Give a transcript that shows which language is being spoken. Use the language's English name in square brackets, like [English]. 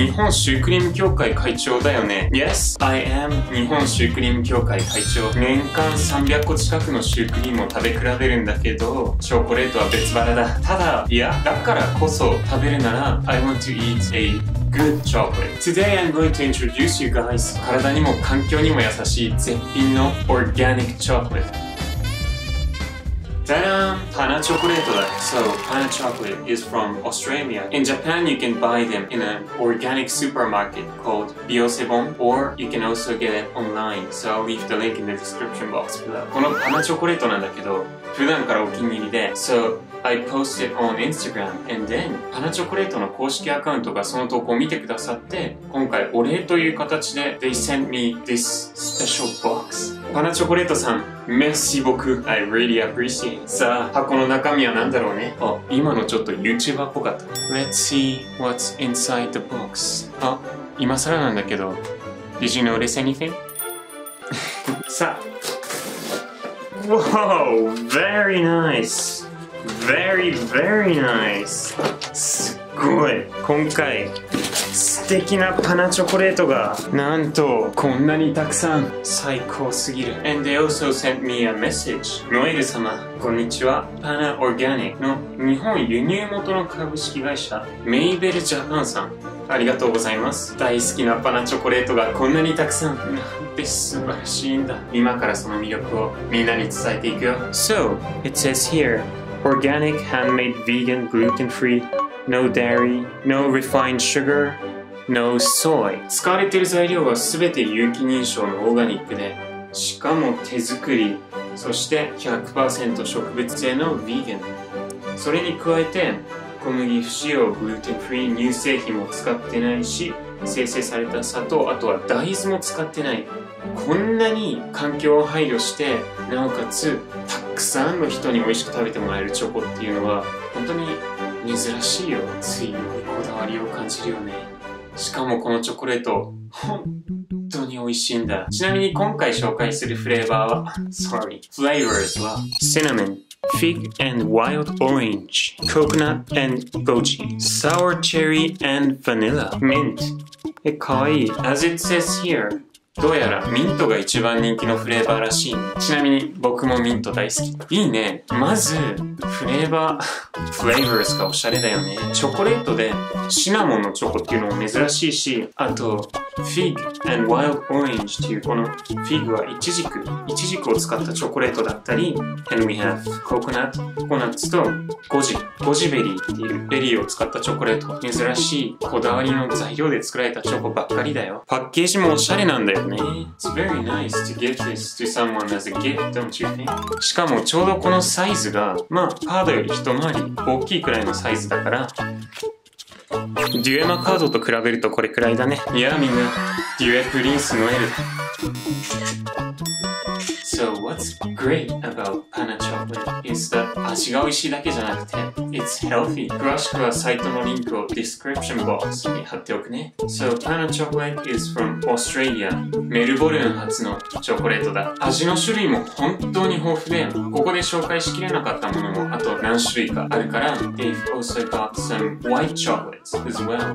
[Japanese] 日本シュークリーム協会会長だよね? [English] Yes, I am. [Japanese] 日本シュークリーム協会会長。年間300個近くのシュークリームを食べ比べるんだけど、チョコレートは別腹だ。ただ、いや、だからこそ食べるなら、 [English] I want to eat a... Good chocolate. Today I'm going to introduce you guys [Japanese] 体にも環境にも優しい絶品の [English] organic chocolate. Ta-daan! [Japanese] Pana chocolate だ。 [English] So, pana chocolate is from Australia. In Japan, you can buy them in an organic supermarket called Biosebon, or you can also get it online. So, I'll leave the link in the description box below. [Japanese] このパナチョコレートなんだけど、普段からお気に入りで、 [English] So,I posted on Instagram and then [Japanese] パナチョコレートの公式アカウントがその投稿を見てくださって、今回お礼という形で [English] They sent me this special box. [Japanese] パナチョコレートさん、 [French] メッシー僕 [English] I really appreciate. [Japanese] さあ、箱の中身は何だろうね。あ、今のちょっと YouTuber っぽかった。 [English] Let's see what's inside the box. [Japanese] あ、今更なんだけど [English] Did you notice anything? さあ、 Wow, very niceVery, very nice! [Japanese] すごい! 今回、素敵なパナチョコレートが、なんと、こんなにたくさん、最高すぎる。 [English] And they also sent me a message. [Japanese] ノエル様、こんにちは。パナオーガニックの日本輸入元の株式会社、メイベルジャパンさん。ありがとうございます。大好きなパナチョコレートがこんなにたくさん。なんて素晴らしいんだ。今からその魅力をみんなに伝えていくよ。 [English] So, it says here,Organic, handmade, vegan, gluten-free, no dairy, no refined sugar, no soy. [Japanese] 使われている材料は全て有機認証のオーガニックで、しかも手作り、そして 100% 植物性のヴィーガン。それに加えて、小麦不使用、gluten-free、乳製品も使ってないし、精製された砂糖、あとは大豆も使ってない。こんなに環境を配慮して、なおかつ、たくさんの人に美味しく食べてもらえるチョコっていうのは本当に珍しいよ。ついよりこだわりを感じるよね。しかもこのチョコレート本当に美味しいんだ。ちなみに今回紹介するフレーバーは Sorry Flavors はシナモン、Fig and Wild Orange、 Coconut and Goji、 Sour Cherry and Vanilla、 Mint。え、かわいい。 [English] As it says here [Japanese] どうやらミントが一番人気のフレーバーらしい。ちなみに僕もミント大好き。いいね。まずフレーバーフレーバーズがおしゃれだよね。チョコレートでシナモンのチョコっていうのも珍しいし、あとフィグ [English] and wild orange [Japanese] っていう、このフィグはイチジクを使ったチョコレートだったり、 [English] and we have coconut、 [Japanese] ココナッツとゴジベリーっていうベリーを使ったチョコレート、珍しいこだわりの材料で作られたチョコばっかりだよ。パッケージもおしゃれなんだよね。 [English] It's very nice to give this to someone as a gift, don't you think? [Japanese] しかもちょうどこのサイズが、まあカードより一回り大きいくらいのサイズだから、デュエマカードと比べるとこれくらいだね。いやみんな、デュエプリンスノエルだ。 [English] So what's great about Pana chocolate is that [Japanese] 味が美味しいだけじゃなくて [English] It's healthy. [Japanese] 詳しくはサイトのリンクを description box に貼っておくね。 [English] So Pana chocolate is from Australia. [Japanese] メルボルン発のチョコレートだ。味の種類も本当に豊富で、ここで紹介しきれなかったものもあと何種類かあるから。 [English] They've also got some white chocolates as well.